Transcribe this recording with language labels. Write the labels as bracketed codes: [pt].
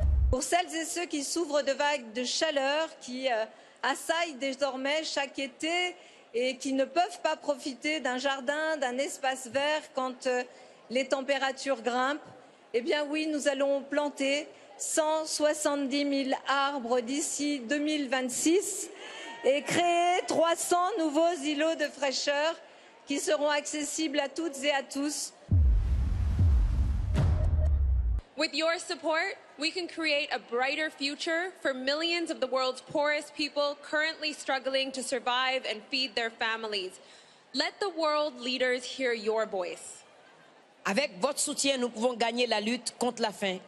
[fr] Pour celles et ceux qui souffrent de vagues de chaleur qui assaillent désormais chaque été et qui ne peuvent pas profiter d'un jardin, d'un espace vert quand les températures grimpent, eh bien oui, nous allons planter 170 000 arbres d'ici 2026 et créer 300 nouveaux îlots de fraîcheur qui seront accessibles à toutes et à tous. [en] With your support, we can create a brighter future for millions of the world's poorest people currently struggling to survive and feed their families. Let the world leaders hear your voice. [fr] Avec votre soutien, nous pouvons gagner la lutte contre la faim.